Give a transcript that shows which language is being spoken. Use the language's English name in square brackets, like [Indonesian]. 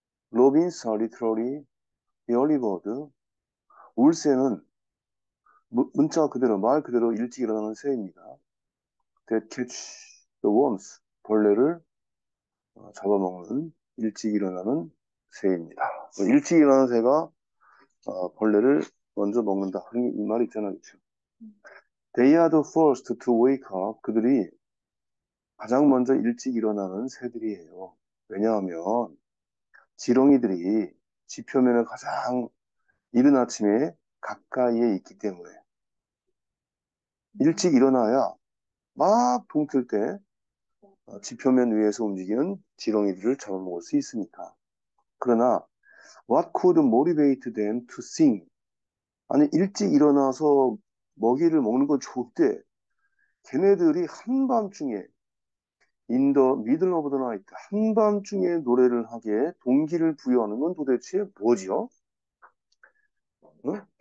[Korean] 로빈스 리트러리 열리버드. 울새는 문자 그대로, 말 그대로 일찍 일어나는 새입니다. [English] That catch the worms, [Korean] 벌레를 잡아먹는 일찍 일어나는 새입니다. 일찍 일어나는 새가 벌레를 먼저 먹는다. 이 말이 있잖아, 그쵸? [English] They are the first to wake up. [Korean] 그들이 가장 먼저 일찍 일어나는 새들이에요. 왜냐하면 지렁이들이 지표면에 가장 이른 아침에 가까이에 있기 때문에. 일찍 일어나야 막 동틀 때 지표면 위에서 움직이는 지렁이들을 잡아먹을 수 있으니까. [English] 그러나 What could motivate them to sing? [Korean] 아니, 일찍 일어나서 먹이를 먹는 건 좋대. 걔네들이 한밤중에, [English] in the middle of the night, [Korean] 한밤중에 노래를 하게 동기를 부여하는 건 도대체 뭐지요? 응?